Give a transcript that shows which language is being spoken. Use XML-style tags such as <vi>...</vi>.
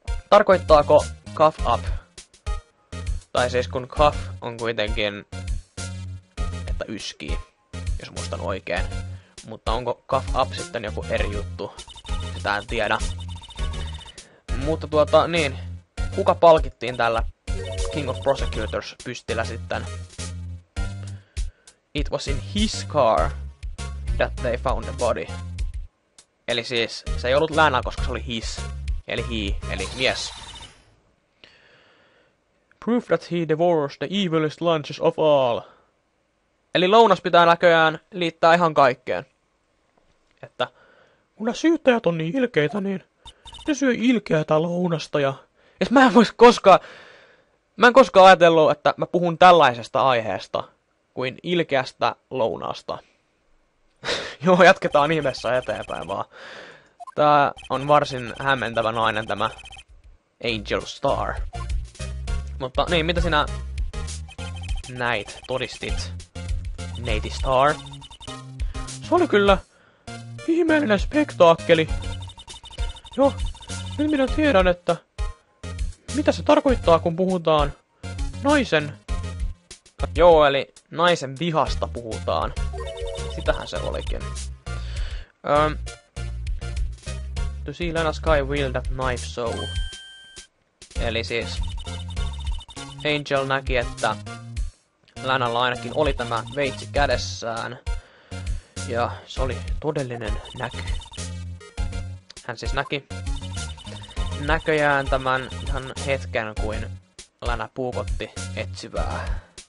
<fi>Tarkoittaako cough up? Tai siis kun cough on kuitenkin, että yskii, jos muistan oikein. Mutta onko cough up sitten joku eri juttu? Sitä en tiedä. Mutta niin. Kuka palkittiin tällä King of Prosecutors pystillä sitten?</fi> <en>It was in his car that they found the body.</en> <fi>Eli siis, se ei ollut länä, koska se oli his. Eli he, eli mies.</fi> <en>Proof that he devours the evilest lunches of all.</en> <fi>Eli lounas pitää näköjään liittää ihan kaikkeen. Että kun nämä syyttäjät on niin ilkeitä, niin ne syö ilkeätä lounasta ja... Et mä en vois koskaan... Mä en koskaan ajatellut, että mä puhun tällaisesta aiheesta kuin ilkeästä lounasta. Joo, jatketaan ihmeessä eteenpäin vaan. Tää on varsin hämmentävä nainen, tämä Angel Star. Mutta niin, mitä sinä näit, todistit, Nate Star? Se oli kyllä ihmeellinen spektaakkeli. Joo, nyt minä tiedän, että mitä se tarkoittaa, kun puhutaan naisen... Joo, eli naisen vihasta puhutaan. Sitähän se olikin.</fi> <en>To see Lena Sky wield that knife so.</en> <fi>Eli siis... Angel näki, että Lanalla ainakin oli tämä veitsi kädessään. Ja se oli todellinen näky. Hän siis näki näköjään tämän ihan hetken, kuin Lana puukotti etsivää.</fi>